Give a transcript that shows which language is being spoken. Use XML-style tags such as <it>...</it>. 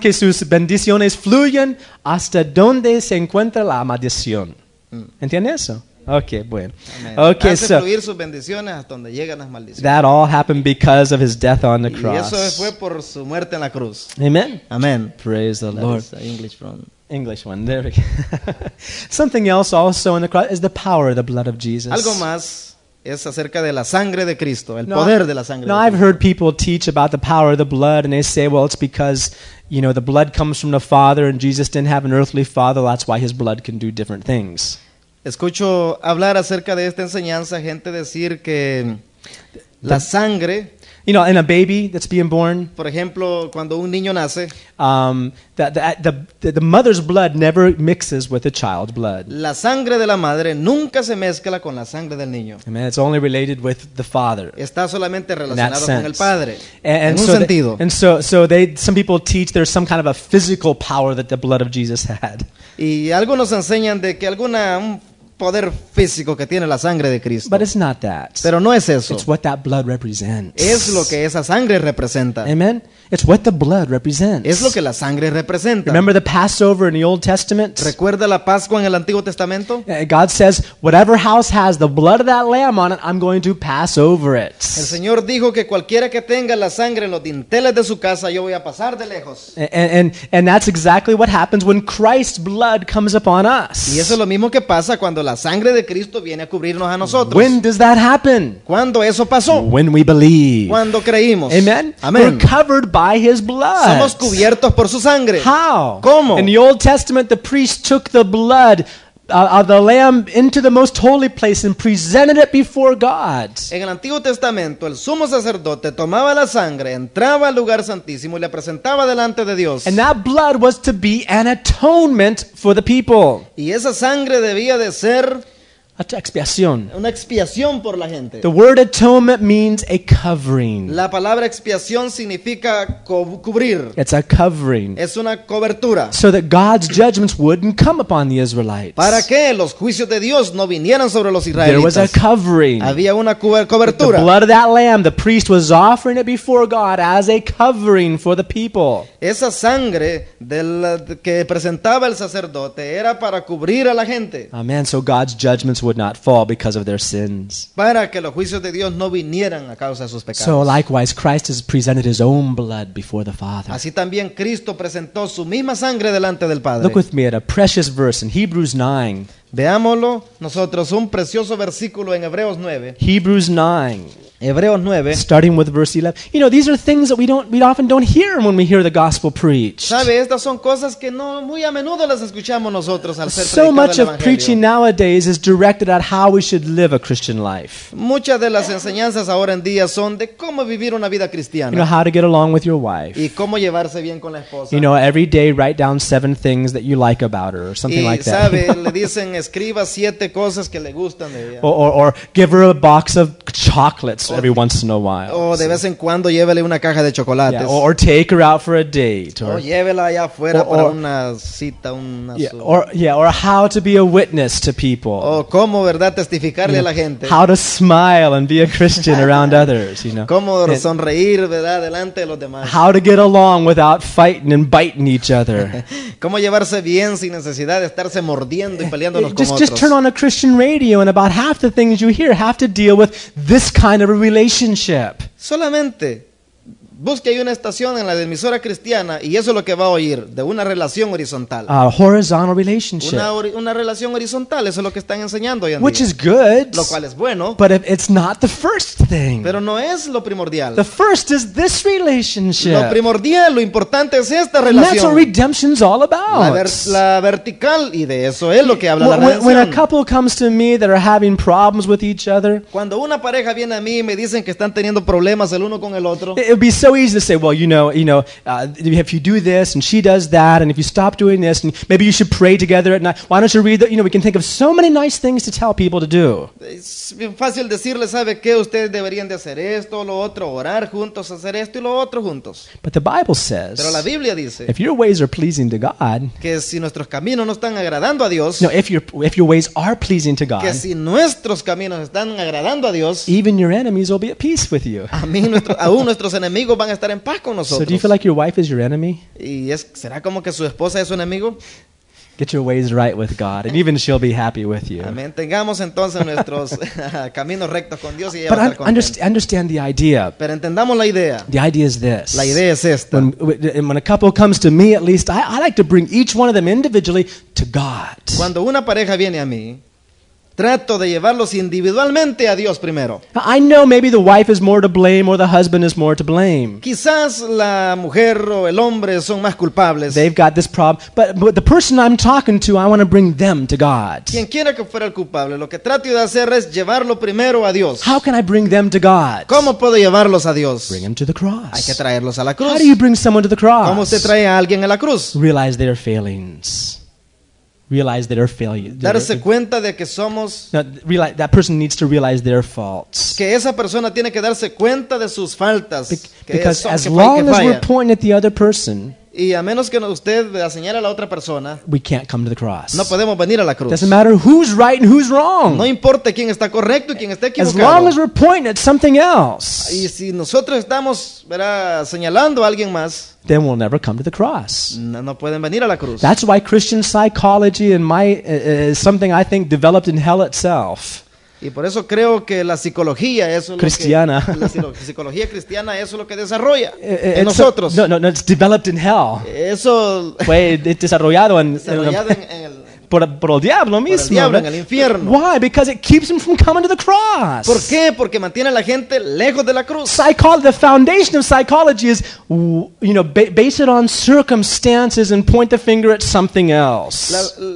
<es>que sus bendiciones fluyan hasta donde se encuentra la maldición. ¿Entiendes eso? Okay, bueno. Okay, so fluir sus bendiciones hasta donde llegan las maldiciones.</es> <en>That all happened because of his death on the cross.</en> <es>Y eso fue por su muerte en la cruz.</es> <en>Amen. Amen. Praise the Lord. English from English one. There we go. Something else also on the cross is the power of the blood of Jesus.</en> <es>Algo más. Es acerca de la sangre de Cristo, el poder de la sangre.</es> <en>Now I've heard people teach about the power of the blood, and they say, well, it's because, you know, the blood comes from the Father, and Jesus didn't have an earthly father, that's why his blood can do different things.</en> <es>Escucho hablar acerca de esta enseñanza, gente decir que la sangre,</es> <en>you know, in a baby that's being born,</en> <es>por ejemplo, cuando un niño nace,</es> <en>the mother's blood never mixes with the child's blood.</en> <es>La sangre de la madre nunca se mezcla con la sangre del niño.</es> <en>I mean, it's only related with the father.</en> <es>Está solamente relacionado con el padre.</es> <en>And so</en> <es>un sentido.</es> <en>They, and so they some people teach there's some kind of a physical power that the blood of Jesus had.</en> <es>Y algunos enseñan de que alguna poder físico que tiene la sangre de Cristo.</es> <en>But it's not that.</en> <es>Pero no es eso.</es> <en>It's what that blood represents.</en> <es>Es lo que esa sangre representa.</es> <en>Amen. It's what the blood represents. Es lo que la sangre representa. Remember the Passover in the Old Testament?</en> <es>¿Recuerda la Pascua en el Antiguo Testamento?</es> <en>God says, whatever house has the blood of that lamb on it, I'm going to pass over it.</en> <es>El Señor dijo que cualquiera que tenga la sangre en los dinteles de su casa, yo voy a pasar de lejos.</es> <en>And that's exactly what happens when Christ's blood comes upon us.</en> <es>Y eso es lo mismo que pasa cuando la sangre de Cristo viene a cubrirnos a nosotros.</es> <en>When does that happen?</en> <es>¿Cuándo eso pasó?</es> <en>When we believe.</en> <es>Cuando creímos.</es> <en>Amen. Amen. We're covered by his blood.</en> <es>Somos cubiertos por su sangre.</es> <en>How?</en> <es>¿Cómo?</es> <en>In the Old Testament, the priest took the blood of the lamb into the most holy place and presented it before God.</en> <es>En el Antiguo Testamento, el sumo sacerdote tomaba la sangre, entraba al lugar santísimo y la presentaba delante de Dios.</es> <en>And that blood was to be an atonement for the people.</en> <es>Y esa sangre debía de ser expiación. Una expiación por la gente.</es> <en>The word atonement means a covering.</en> <es>La palabra expiación significa cubrir.</es> <en>It's a covering.</en> <es>Es una cobertura.</es> <en>So that God's judgments wouldn't come upon the Israelites.</en> <es>Para que los juicios de Dios no vinieran sobre los israelitas.</es> <en>There was a covering.</en> <es>Había una cobertura.</es> <en>The blood of that lamb, the priest was offering it before God as a covering for the people.</en> <es>Esa sangre del que presentaba el sacerdote era para cubrir a la gente.</es> <en>Amen. So God's judgment would not fall because of their sins.</en> <es>Para que los juicios de Dios no vinieran a causa de sus pecados.</es> <en>So likewise, Christ has presented his own blood before the Father.</en> <es>Así también Cristo presentó su misma sangre delante del Padre.</es> <en>Look with me at a precious verse in Hebrews 9.</en> <es>Veámoslo nosotros un precioso versículo en Hebreos 9.</es> <en>Hebrews 9.</en> <es>Hebreos 9.</es> <en>Starting with verse 11. You know, these are things that we often don't hear when we hear the gospel preached.</en> <es>¿Sabe? Estas son cosas que no muy a menudo las escuchamos nosotros al ser predicado el Evangelio.</es> <en>So much of preaching nowadays is directed at how we should live a Christian life.</en> <es>Muchas de las enseñanzas ahora en día son de cómo vivir una vida cristiana.</es> <en>You know, how to get along with your wife.</en> <es>Y cómo llevarse bien con la esposa.</es> <en>You know, every day write down 7 things that you like about her or something</en> <es>y,</es> <en>like that.</en> <es>¿Sabe? Le dicen escriba siete cosas que le gustan de ella.</es> <en>Or give her a box of chocolates every once in a while.</en> <es>O de vez en cuando llévele una caja de chocolates.</es> <en>Yeah, or take her out for a date.</en> <es>O llévela allá afuera para una cita, una.</es> <en>Yeah, or how to be a witness to people.</en> <es>O cómo, verdad, testificarle a la gente.</es> <en>How to smile and be a Christian around others, you know.</en> <es>Cómo sonreír, verdad, delante de los demás.</es> <en>How to get along without fighting and biting each other.</en> <es>Cómo llevarse bien sin necesidad de estarse mordiendo y peleando los otros.</es> <en>Just turn on a Christian radio and about half the things you hear have to deal with this kind of a relationship.</en> <es>Solamente busque ahí una estación en la emisora cristiana y eso es lo que va a oír, de una relación horizontal.</es> <en>A horizontal relationship.</en> <es>Una relación horizontal, eso es lo que están enseñando hoy en</es> <en>Which</en> <es>día.</es> <en>Which is good.</en> <es>Lo cual es bueno.</es> <en>But it's not the first thing.</en> <es>Pero no es lo primordial.</es> <en>The first is this relationship.</en> <es>Lo primordial, lo importante es esta relación.</es> <en>And that's what redemption's all about.</en> <es>La vertical, y de eso es lo que habla la redención.</es> <en>When a couple comes to me that are having problems with each other.</en> <es>Cuando una pareja viene a mí y me dicen que están teniendo problemas el uno con el otro.</es> <en>So easy to say, well, you know, if you do this and she does that, and if you stop doing this, and maybe you should pray together at night. Why don't you read that? You know, we can think of so many nice things to tell people to do.</en> <es>Es fácil decirle, sabe qué, ustedes deberían de hacer esto, lo otro, orar juntos, hacer esto y lo otro juntos.</es> <en>But the Bible says,</en> <es>pero la Biblia dice,</es> <en>if your ways are pleasing to God,</en> <es>que si nuestros caminos no están agradando a Dios,</es> <en>no, if your ways are pleasing to God,</en> <es>que si nuestros caminos están agradando a Dios,</es> <en>even your enemies will be at peace with you.</en> <es>Aún nuestros enemigos van a estar en paz con nosotros.</es> <en>So do you feel like your wife is your enemy?</en> <es>¿Será como que su esposa es su enemigo?</es> <en>Get your ways right with God, and even she'll be happy with you.</en> <es>Amén. Tengamos entonces nuestros caminos rectos con Dios y ella</es> <en>But</en> <es>va a estar contenta.</es> <en>Understand the idea.</en> <es>Pero entendamos la idea.</es> <en>The idea is this.</en> <es>La idea es esta.</es> <en>When a couple comes to me, at least, I like to bring each one of them individually to God.</en> <es>Cuando una pareja viene a mí, trato de llevarlos individualmente a Dios primero.</es> <en>I know maybe the wife is more to blame or the husband is more to blame.</en> <es>Quizás la mujer o el hombre son más culpables.</es> <en>They've got this problem, but the person I'm talking to, I want to bring them to God.</en> <es>Quien quiera que fuera el culpable, lo que trato de hacer es llevarlo primero a Dios.</es> <en>How can I bring them to God?</en> <es>¿Cómo puedo llevarlos a Dios?</es> <en>Bring them to the cross.</en> <es>Hay que traerlos a la cruz.</es> <en>How do you bring someone to the cross?</en> <es>¿Cómo se trae a alguien a la cruz?</es> <en>Realize their failings. Realize their failure.</en> <es>Darse cuenta de que somos.</es> <en>No, realize, that person needs to realize their faults.</en> <es>Que esa persona tiene que darse cuenta de sus faltas.</es> <en>Because as long as we're pointing at the other person.</en> <es>Y a menos que usted la señale a la otra persona,</es> <en>we can't come to the cross.</en> <es>No podemos venir a la cruz.</es> <en>Doesn't matter who's right and who's wrong.</en> <es>No importa quién está correcto y quién está equivocado.</es> <en>As long as we're pointing at something else.</en> <es>Y si nosotros estamos, ¿verdad?, señalando a alguien más,</es> <en>then we'll never come to the cross.</en> <es>No pueden venir a la cruz.</es> <en>That's why Christian psychology and my is something I think developed in hell itself.</en> <es>Y por eso creo que la psicología es lo cristiana. Que la psicología cristiana es lo que desarrolla en nosotros.</es> <en>No, it's developed in hell.</en> <es>Eso fue desarrollado en por el diablo mismo. Por el diablo, en el infierno.</es> <en>Why? Because it keeps him from coming to the cross.</en> <es>¿Por qué? Porque mantiene a la gente lejos de la cruz.</es> <en>The foundation of psychology is, you know, base it on circumstances and point the finger at something else.</en>